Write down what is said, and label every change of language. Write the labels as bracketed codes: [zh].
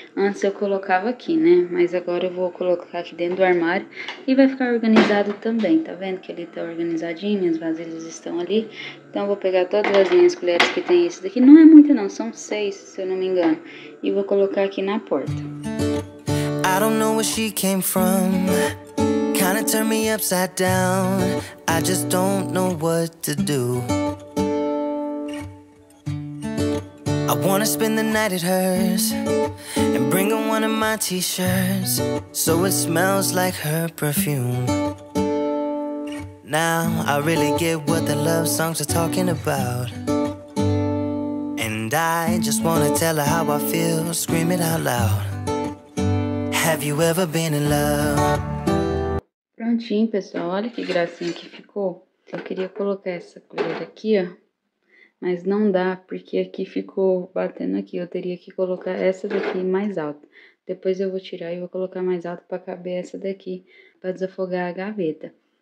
[pt] Antes eu colocava aqui, né? Mas agora eu vou colocar aqui dentro do armário e vai ficar organizado também. Tá vendo que ele tá organizadinho, minhas vasilhas estão ali. Então eu vou pegar todas as minhas colheres que tem isso daqui. Não é muita não, são 6, se eu não me engano. E vou colocar aqui na porta. [en] I don't know where she came from. Kinda turned me upside down. I just don't know what to do. I wanna spend the night at hers and bring her one of my t-shirts so it smells like her perfume. Now I really get what the love songs are talking about, and I just wanna tell her how I feel, scream it out loud. Have you ever been in love? [pt] Prontinho, pessoal, olha que gracinha que ficou. Eu queria colocar essa colher aqui, ó, Mas não dá, porque aqui ficou batendo aqui. Eu teria que colocar essa daqui mais alta. Depois eu vou tirar e vou colocar mais alto para caber essa daqui, para desafogar a gaveta.